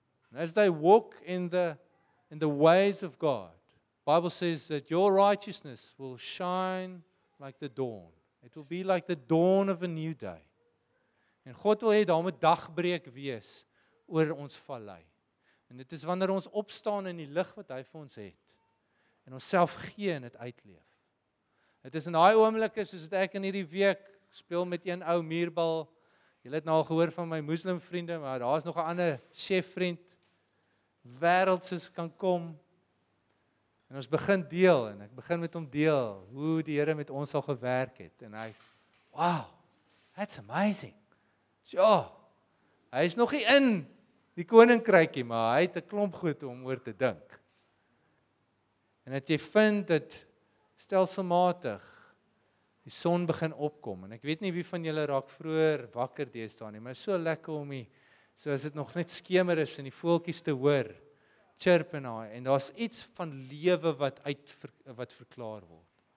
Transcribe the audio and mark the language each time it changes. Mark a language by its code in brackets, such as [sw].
[en] And as they walk in the ways of God, Bible says that your righteousness will shine like the dawn. It will be like the dawn of a new day. [af] En God wil hê daar moet dagbreek wees oor ons vallei. En dit is wanneer ons opstaan in die lig wat hy vir ons het en onsself gee en dit uitleef. Dit is in daai oomblikke soos dit ek in hierdie week speel met een ou muurbal. Julle het nou al gehoor van my moslim vriende, maar daar is nog 'n ander chef vriend wêreldsis kan kom. En ons begin deel en ek begin met hom deel hoe die Here met ons al gewerk het en hy wow. [en] That's amazing. Ja. [af] Hy is nog nie in die koninkrykie, maar hy het 'n klomp goed om oor te dink. En dat jy vind dat stelselmatig die son begin opkom en ek weet nie wie van julle raak vroeër wakker deesdae nie, maar so lekker om hier so as dit nog net skemer is en die voeltjies te hoor chirp en haar, en daar's iets van lewe wat verklaar word.